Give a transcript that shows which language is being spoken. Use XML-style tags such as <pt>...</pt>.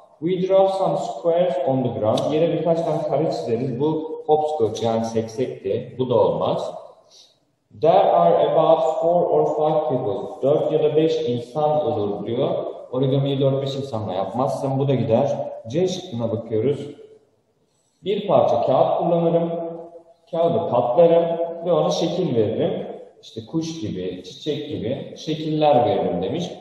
<en>We draw some squares on the ground.</en> <tr>Yere birkaç tane kare çizeriz. Bu hopscotch, yani seksekti. Bu da olmaz.</tr> <en>There are about 4 or 5 people.</en> <tr>4 ya da 5 insan olur diyor. Origami'yi 4-5 insanla yapmazsın. Bu da gider. C şıkkına bakıyoruz. Bir parça kağıt kullanırım. Kağıdı patlarım ve ona şekil veririm. İşte kuş gibi, çiçek gibi şekiller veririm demiş.</tr>